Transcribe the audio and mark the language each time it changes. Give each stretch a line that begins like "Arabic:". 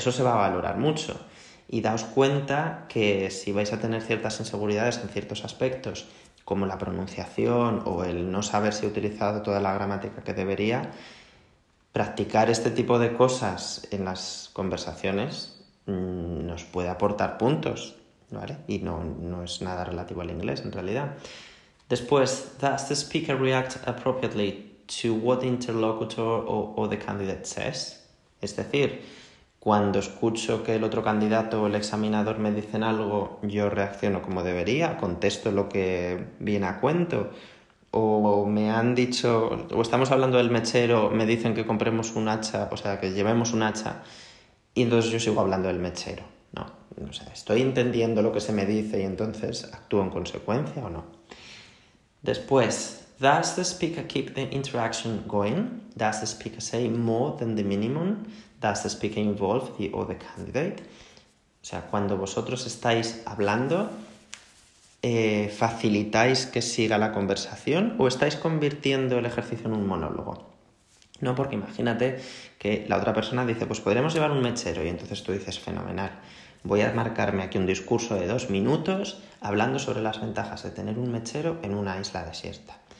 Spanish: Eso se va a valorar mucho y daos cuenta que si vais a tener ciertas inseguridades en ciertos aspectos, como la pronunciación o el no saber si he utilizado toda la gramática que debería, practicar este tipo de cosas en las conversaciones nos puede aportar puntos, ¿vale? Y no es nada relativo al inglés, en realidad. Después,
English: does the speaker react appropriately to what the interlocutor or the candidate says?
Spanish: Es decir, cuando escucho que el otro candidato o el examinador me dicen algo, ¿yo reacciono como debería? ¿Contesto lo que viene a cuento? ¿O me han dicho, o estamos hablando del mechero, me dicen que compremos un hacha, o sea, que llevemos un hacha, y entonces yo sigo hablando del mechero? No, o sea, ¿estoy entendiendo lo que se me dice y entonces actúo en consecuencia o no? Después,
English: does the speaker keep the interaction going? Does the speaker say more than the minimum? Does the speaker involve the other candidate?
Spanish: O sea, cuando vosotros estáis hablando, ¿facilitáis que siga la conversación o estáis convirtiendo el ejercicio en un monólogo? No, porque imagínate que la otra persona dice, pues podríamos llevar un mechero, y entonces tú dices, fenomenal, voy a marcarme aquí un discurso de 2 minutos hablando sobre las ventajas de tener un mechero en una isla desierta.